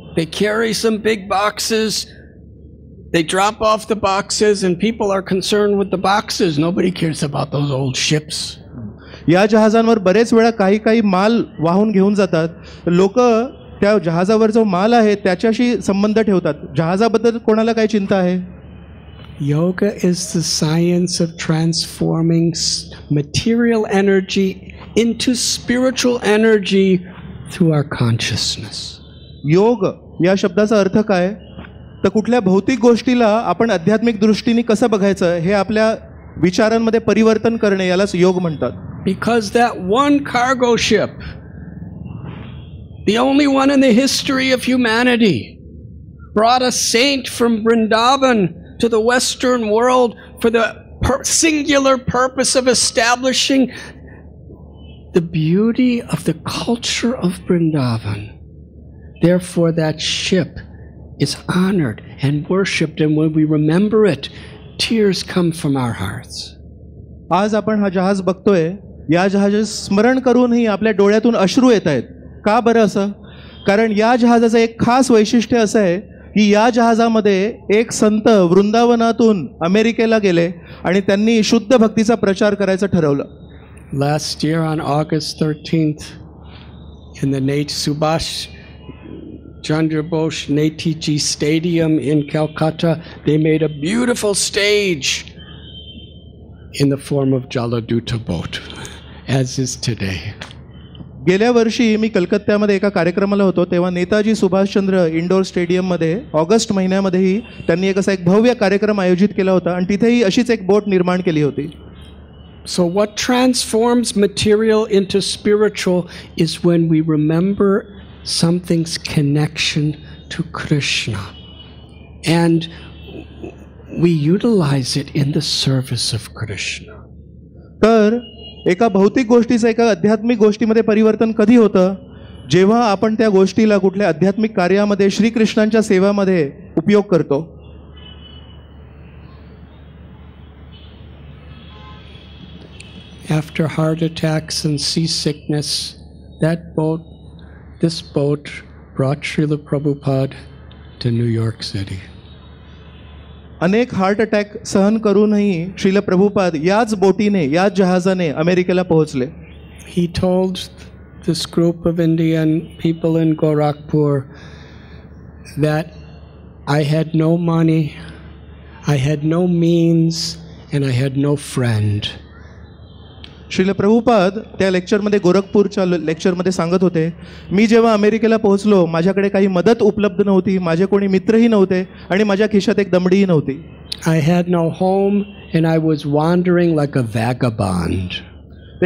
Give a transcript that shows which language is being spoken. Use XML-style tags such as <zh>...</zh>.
<en>They carry some big boxes. They drop off the boxes and people are concerned with the boxes. Nobody cares about those old ships.</en> <mr>या जहाजांवर बरेच वेळा काही काही माल वाहून घेऊन जातात. लोक त्या जहाजावर जो माल आहे त्याच्याशी संबंध ठेवतात. जहाजाबद्दल कोणाला काय चिंता आहे?</mr> <en>Yoga is the science of transforming material energy into spiritual energy through our consciousness.</en> <mr>योग या शब्दाचा अर्थ काय? तर कुठल्या भौतिक गोष्टीला आपण आध्यात्मिक दृष्टीने कसं बघायचं हे आपल्या विचारांमध्ये परिवर्तन करणे, यालाच योग म्हणतात.</mr> <en>Because that one cargo ship, the only one in the history of humanity, brought a saint from Vrindavan to the Western world for the singular purpose of establishing the beauty of the culture of Vrindavan. Therefore, that ship is honored and worshipped, and when we remember it, tears come from our hearts.</en> <mr>आज आपण हा जहाज बघतोय, या जहाजाचे स्मरण करूनही आपल्या डोळ्यातून अश्रू येत आहेत. का बरं असं? कारण या जहाजाचं एक खास वैशिष्ट्य असं आहे की या जहाजामध्ये एक संत वृंदावनातून अमेरिकेला गेले आणि त्यांनी शुद्ध भक्तीचा प्रचार करायचं ठरवलं.</mr> <en>Last year on August 13th in the net Subhash Chandra Bose Netiji Stadium in Calcutta, they made a beautiful stage in the form of Jaladuta boat, as is today.</en> <mr>गेल्या वर्षी मी कलकत्त्यामध्ये एका कार्यक्रमाला होतो तेव्हा नेताजी सुभाषचंद्र इंडोर स्टेडियममध्ये ऑगस्ट महिन्यामध्येही त्यांनी एक असा एक भव्य कार्यक्रम आयोजित केला होता आणि तिथेही अशीच एक बोट निर्माण केली होती.</mr> <en>So what transforms material into spiritual is when we remember something's connection to Krishna and we utilize it in the service of Krishna.</en> <mr>तर एका भौतिक गोष्टीचं एका आध्यात्मिक गोष्टीमध्ये परिवर्तन कधी होतं? जेव्हा आपण त्या गोष्टीला कुठल्या आध्यात्मिक कार्यामध्ये श्री कृष्णांच्या सेवेमध्ये उपयोग करतो.</mr> <en>After heart attacks and seasickness, this boat brought Srila Prabhupada to New York City.</en> <mr>अनेक हार्ट अटॅक सहन करूनही श्रील प्रभुपाद याच बोटीने, याच जहाजाने अमेरिकेला पोहोचले.</mr> <en>He told this group of Indian people in Gorakhpur that I had no money, I had no means, and I had no friend.</en> <mr>Srila Prabhupada त्या लेक्चरमध्ये, गोरखपूरच्या लेक्चरमध्ये सांगत होते, मी जेव्हा अमेरिकेला पोहोचलो माझ्याकडे काही मदत उपलब्ध नव्हती, माझे कोणी मित्रही नव्हते आणि माझ्या खिशात एक दमडीही नव्हती.</mr> <en>I had no home and I was wandering like a vagabond.</en>